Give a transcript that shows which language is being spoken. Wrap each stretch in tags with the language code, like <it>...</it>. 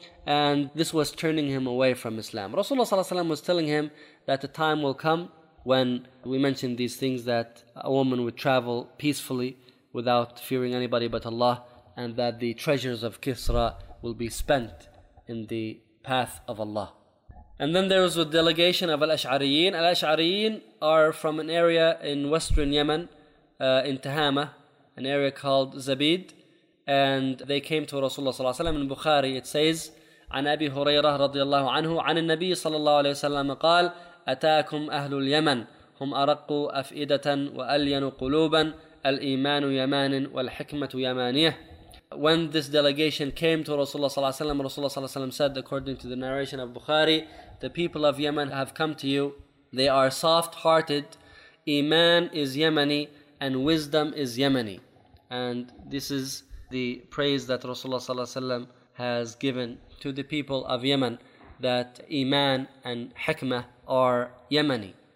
<en>And this was turning him away from Islam. Rasulullah ﷺ was telling him that the time will come when, we mentioned these things, that a woman would travel peacefully without fearing anybody but Allah, and that the treasures of Kisra will be spent in the path of Allah. And then there was a delegation of Al-Ash'ariyin. Al-Ash'ariyin are from an area in western Yemen, in Tahama, an area called Zabid. And they came to Rasulullah ﷺ. In Bukhari it says,</en> <ar>عن أبي هريرة رضي الله عنه عن النبي صلى الله عليه وسلم قال أتاكم أهل اليمن هم أرق أفئدة وألين قلوبا الإيمان يمان والحكمة يمانية.</ar> <en>When this delegation came to Rasulullah صلى الله عليه وسلم, Rasulullah صلى الله عليه وسلم said, according to the narration of Bukhari, the people of Yemen have come to you, they are soft-hearted, Iman is Yemeni and wisdom is Yemeni. And this is the praise that Rasulullah صلى الله عليه وسلم has given to the people of Yemen, that Iman and Hikmah are Yemeni.</en>